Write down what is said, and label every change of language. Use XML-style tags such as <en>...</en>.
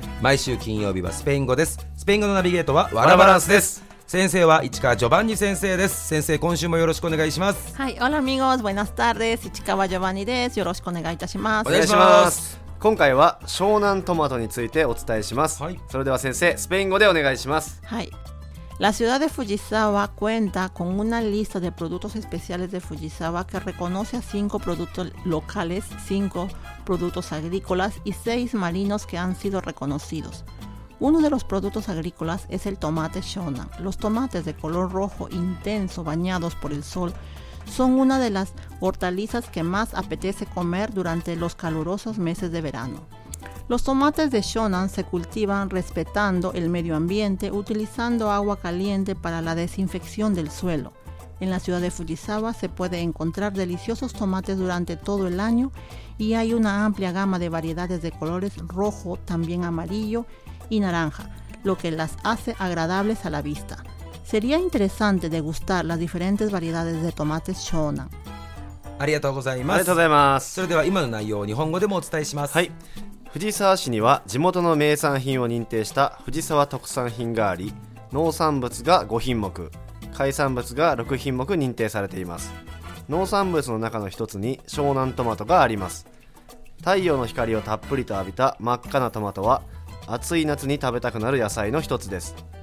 <ja>毎週金曜日はスペイン語です。スペイン語のナビゲートはワラバランスです。先生は市川ジョバンニ先生です。先生、今週もよろしくお願いします。はい、オラミゴーズ、ボイナスタールです。市川ジョバンニです。よろしくお願いいたします。お願いします。今回は湘南トマトについてお伝えします。はい、それでは先生、スペイン語でお願いします。</ja> <es>はい、La ciudad de Fujisawa cuenta con una lista de productos especiales de Fujisawa que reconoce a 5 productos locales, 5 productos agrícolas y 6 marinos que han sido reconocidos. Uno de los productos agrícolas es el tomate shonan. Los tomates de color rojo intenso bañados por el sol son una de las hortalizas que más apetece comer durante los calurosos meses de verano. Los tomates de Shonan se cultivan respetando el medio ambiente, utilizando agua caliente para la desinfección del suelo. En la ciudad de Fujisawa se puede encontrar deliciosos tomates durante todo el año y hay una amplia gama de variedades de colores rojo, también amarillo y naranja, lo que las hace agradables a la vista. Sería interesante degustar las diferentes variedades de tomates Shonan.</es> <ja>ありがとうございます。ありがとうございます。それでは今の内容を日本語でもお伝えします。はい。藤沢市には地元の名産品を認定した藤沢特産品があり、農産物が5品目、海産物が6品目認定されています。農産物の中の一つに湘南トマトがあります。太陽の光をたっぷりと浴びた真っ赤なトマトは、暑い夏に食べたくなる野菜の一つです。</ja>